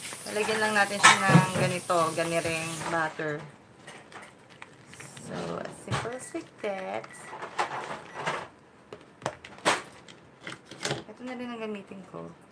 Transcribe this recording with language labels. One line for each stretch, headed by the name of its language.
Filipino: Lagyan lang natin siya ng ganito, ganiring butter.
English: So, as simple as like that.
Filipino: Ito na rin ang gamitin ko.